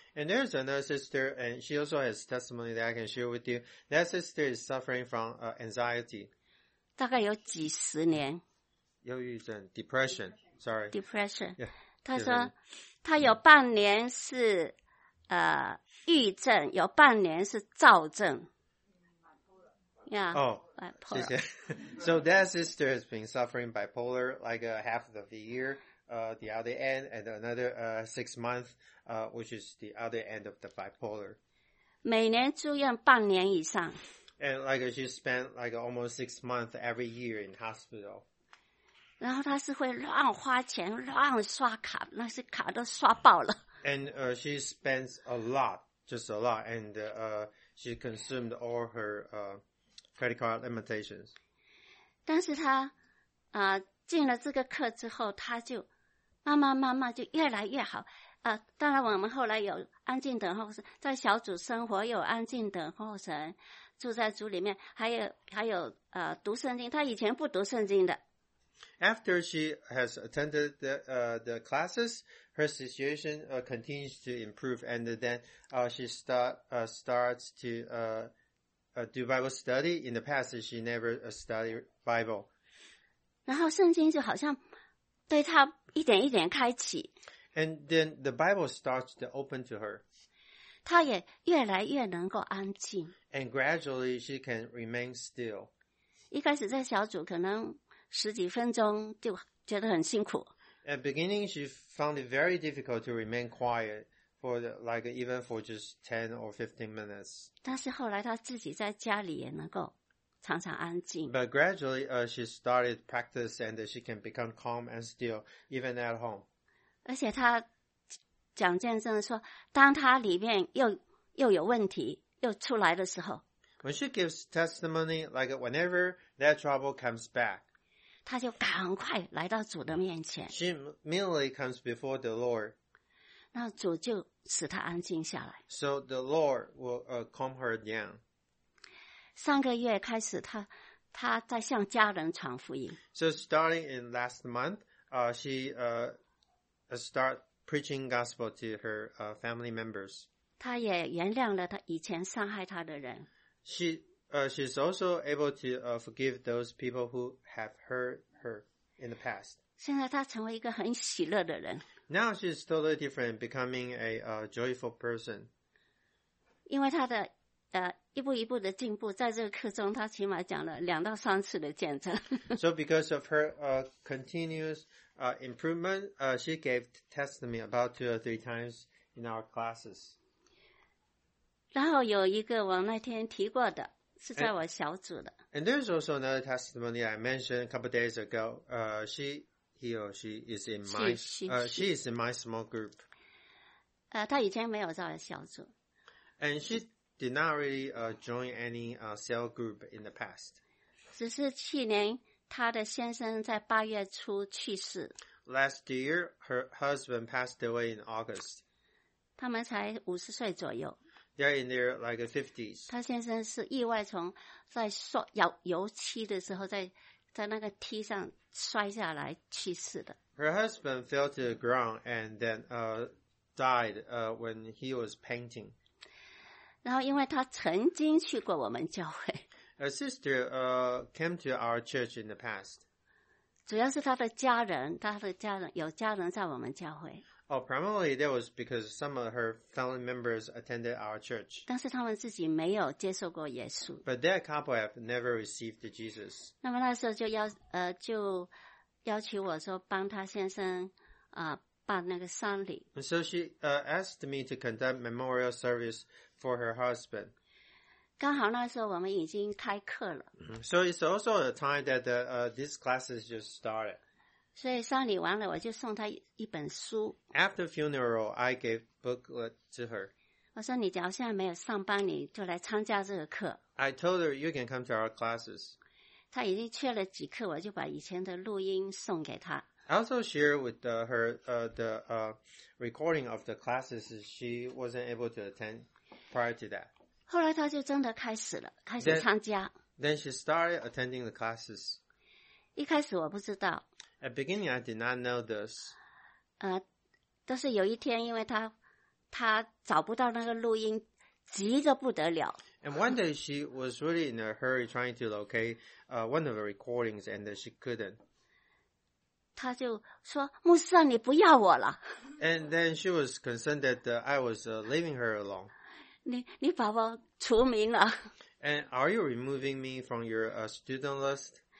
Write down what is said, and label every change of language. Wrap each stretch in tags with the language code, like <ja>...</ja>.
<en>And there's another sister, and she also has testimony that I can share with you. That sister is suffering from anxiety.</en> <zh>大概有几十年。忧郁症</zh> <en>，depression. Sorry. Depression. Yeah.</en> <zh>他说，他有半年是郁症，有半年是躁症。</zh> <en>Yeah. Oh. Bipolar.</en> <zh>谢谢。</zh> <en>So that sister has been suffering bipolar like half of the year. The other end, and another 6 months, which is the other end of the bipolar.</en> <zh>每年住院半年以上。</zh> <en>And like she spent like almost 6 months every year in hospital.</en> <zh>然后她是会乱花钱，乱刷卡，那些卡都刷爆了。</zh> <en>And she spends a lot, just a lot, and she consumed all her credit card limitations.</en> <zh>但是她进了这个课之后，她就慢慢慢慢就越来越好，当然我们后来有安静等候神，在小组生活有安静等候神，住在组里面，还有读圣经，他以前不读圣经的。</zh> <en>After she has attended the classes, her situation continues to improve, and then she starts to do Bible study. In the past, she never studied Bible.</en> <zh>然后圣经就好像对她一点一点开启。</zh> <en>And then the Bible starts to open to her.</en> <zh>她也越来越能够安静。</zh> <en>And gradually she can remain still.</en> <zh>一开始在小组可能十几分钟就觉得很辛苦。</zh> <en>At the beginning she found it very difficult to remain quiet for even for just 10 or 15 minutes.</en> <zh>但是后来她自己在家里也能够常常安静。</zh> <en>But gradually she started practice and she can become calm and still even at home.</en> <zh>而且他讲见证说，当他里面又有问题又出来的时候，</zh> <en>When she gives testimony, like whenever that trouble comes back,</en> <zh>他就赶快来到主的面前。</zh> <en>She immediately comes before the Lord.</en> <zh>那主就使他安静下来。</zh> <en>So the Lord will calm her down.</en> <zh>3个月开始他在向家人传福音。</zh> <en>So starting in last month, she start preaching gospel to her family members.</en> <zh>她也原谅了她以前伤害她的人。</zh> <en>She's also able to forgive those people who have hurt her in the past.</en> <zh>现在她成为一个很喜乐的人。</zh> <en>Now she's totally different, becoming a joyful person.</en> <zh>因为她的一步一步的进步，在这个课中她起码讲了2到3次的见证。</zh> <en>So because of her continuous improvement, she gave testimony about 2 or 3 times in our classes.</en> <zh>然后有一个我那天提过的，是在我小组的。</zh> <en>And there's also another testimony I mentioned a couple of days ago. She is in my small group.</en> <zh>她以前没有在小组。</zh> <en>And she did not really join any cell group in the past.</en> <zh>只是去年她的先生在8月初去世。</zh> <en>Last year, her husband passed away in August.</en> <zh>他们才50岁左右。</zh> <en>They're in their like 50s.</en> <zh>她先生是意外从在刷油漆的时候在那个梯上摔下来去世的。</zh> <en>Her husband fell to the ground and then died when he was painting.</en> <zh>然后因为她曾经去过我们教会。</zh> <en>A sister came to our church in the past.</en> <zh>主要是她的家人有家人在我们教会。</zh> <en>Oh, primarily that was because some of her family members attended our church.</en> <zh>但是他们自己没有接受过耶稣。</zh> <en>But that couple have never received Jesus.</en> <zh>那么那时候就要求我说帮他先生办那个丧礼。</zh> <en>And so she asked me to conduct memorial service for her husband.</en> <zh>刚好那时候我们已经开课了。</zh> <en>So it's also the time that this class has just started.</en> <zh>所以丧礼完了，我就送他一本书。</zh> <en>After funeral, I gave booklet to her.</en> <zh>我说你假如现在没有上班，你就来参加这个课。</zh> <en>I told her you can come to our classes.</en> <zh>他已经缺了几课，我就把以前的录音送给他。</zh> <en>I also shared with her recording of the classes she wasn't able to attend prior to that.</en> <zh>后来他就真的开始了，开始参加。</zh> <en>Then she started attending the classes.</en> <zh>一开始我不知道。</zh> <en>At beginning, I did not know this.</en> <zh>但是有一天，因为他找不到那个录音，急得不得了。</zh> <en>And one day she was really in a hurry trying to locate one of the recordings, and she couldn't.</en> <zh>他就说：“牧师啊，你不要我了。”</zh> <en>And then she was concerned that I was leaving her alone.</en> <zh>你把我除名了。</zh> <en>And are you removing me from your student list?</en>